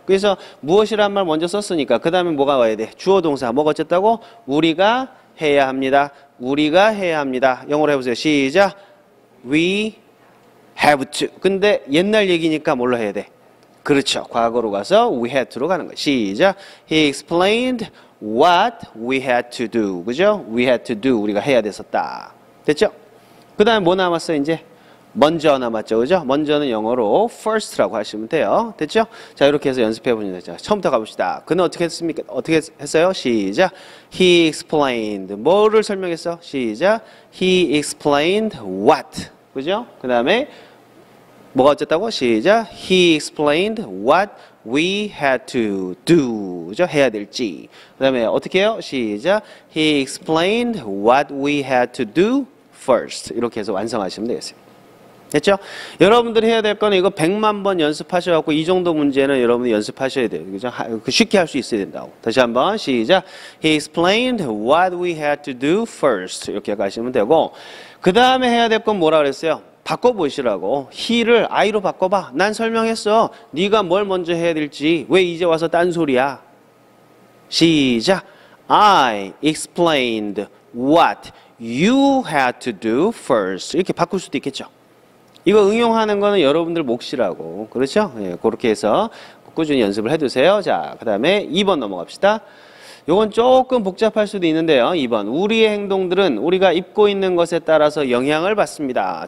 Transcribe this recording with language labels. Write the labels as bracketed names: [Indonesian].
[Korean] 그래서 무엇이란 말 먼저 썼으니까, 그 다음에 뭐가 와야 돼? 주어 동사. 뭐가 어쨌다고? 우리가 해야 합니다. 우리가 해야 합니다. 영어로 해보세요. 시작. [English] We have to. [Korean] 근데 옛날 얘기니까 뭘로 해야 돼? 그렇죠. 과거로 가서 we had to 로 가는 거야. 시작. [English] He explained what we had to do. [Korean] 그죠? We had to do. 우리가 해야 됐었다. 됐죠? 그 다음에 뭐 남았어, 이제? 먼저 남았죠, 그죠? 먼저는 영어로 first라고 하시면 돼요. 됐죠? 자, 이렇게 해서 연습해 보시면 되죠. 처음부터 가봅시다. 그는 어떻게 했습니까? 어떻게 했어요? 시작. [English] He explained. 뭐를 설명했어? 시작. He explained what. 그죠? [Korean] 그 다음에 뭐가 어쨌다고? 시작. [English] He explained what we had to do. [Korean] 그죠? 해야 될지. 그 다음에 어떻게 해요? 시작. [English] He explained what we had to do. [Korean] First 이렇게 해서 완성하시면 되겠어요. 됐죠? 여러분들이 해야 될 거는 이거 100만 번 연습하셔갖고 이 정도 문제는 여러분이 연습하셔야 돼요. 그죠? 쉽게 할수 있어야 된다고. 다시 한번 시작. [English] He explained what we had to do first. [Korean] 이렇게 하시면 되고 그 다음에 해야 될건 뭐라 그랬어요? 바꿔보시라고. He를 I로 바꿔봐. 난 설명했어. 네가 뭘 먼저 해야 될지. 왜 이제 와서 딴소리야? 시작. [English] I explained what You had to do first. [Korean] 이렇게 바꿀 수도 있겠죠. 이거 응용하는 거는 여러분들 몫이라고. 그렇죠? 예, 그렇게 해서 꾸준히 연습을 해두세요. 자, 그다음에 2번 넘어갑시다. 이건 조금 복잡할 수도 있는데요. 2번. 우리의 행동들은 우리가 입고 있는 것에 따라서 영향을 받습니다.